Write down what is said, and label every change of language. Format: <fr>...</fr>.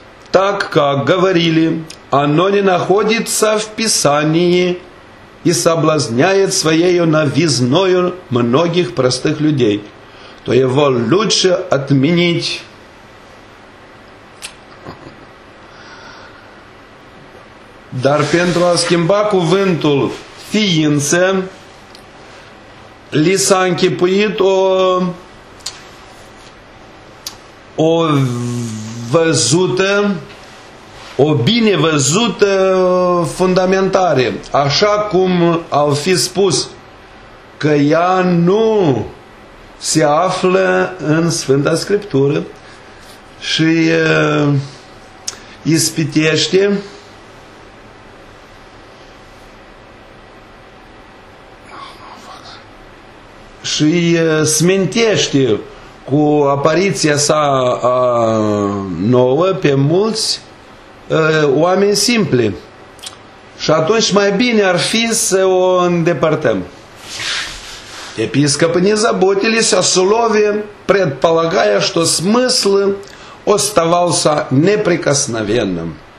<ru>Так как говорили, оно не находится в Писании, и соблазняет своею новизною многих простых людей, то его лучше отменить.</ru> <ro>Dar pentru a schimba cuvântul ființă, li s-a închipuit o văzută, o bine văzută fundamentare, așa cum au fi spus că ea nu se află în Sfânta Scriptură și ispitește și smintește cu apariția sa nouă pe mulți oameni simpli. Și atunci mai bine ar fi să o îndepărtăm.</ro> <ru>Episcopi не заботились о слове, предполагая, что смысл оставался неприкосновенным.</ru>